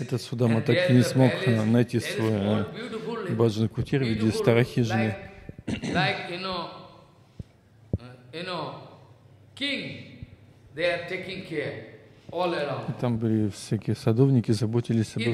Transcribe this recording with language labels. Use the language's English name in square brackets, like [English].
[Russian] это Судама так и не смог найти свой бхаджан кутир в виде старой хижины. [English] Like you know, king, they are taking care. [Russian] И там были всякие садовники, заботились обо всем.